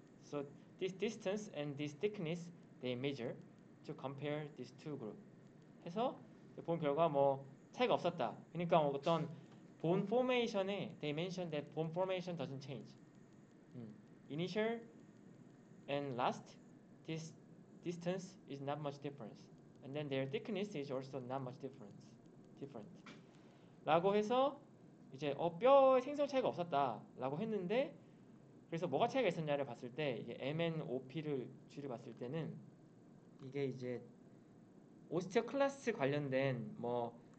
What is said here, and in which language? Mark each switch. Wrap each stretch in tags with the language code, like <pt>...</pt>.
<en>So this distance and this thickness, they measure to compare these two groups.</en> <ko>해서 본 결과 뭐, 차이가 없었다. 그러니까 어떤 본 포메이션에</ko> <en>they mention that bone formation doesn't change. Initial and last this distance is not much difference. And then their thickness is also not much different.</en> <ko>라고 해서 이제 뼈 생성 차이가 없었다라고 했는데 그래서 뭐가 차이가 있었냐를 봤을 때 이게 MNOP를 줄여 봤을 때는 이게 이제 오스테오클라스트 관련된 뭐</ko>